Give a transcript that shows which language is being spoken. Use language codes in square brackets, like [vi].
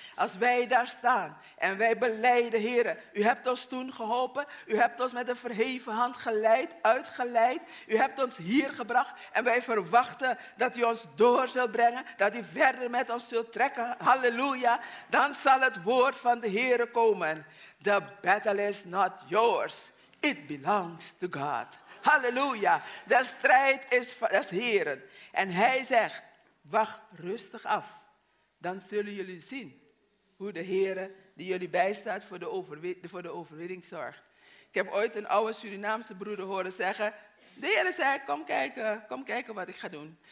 [nl] Als wij daar staan en wij belijden, Heere, u hebt ons toen geholpen, u hebt ons met een verheven hand geleid, uitgeleid, u hebt ons hier gebracht en wij verwachten dat u ons door zult brengen, dat u verder met ons zult trekken, halleluja, dan zal het woord van de Heere komen. [en] The battle is not yours, it belongs to God. [nl] Halleluja, de strijd is van de Heeren. En hij zegt, wacht rustig af. Dan zullen jullie zien hoe de Heere die jullie bijstaat voor de overwinning zorgt. Ik heb ooit een oude Surinaamse broeder horen zeggen, de Heere zei, kom kijken wat ik ga doen.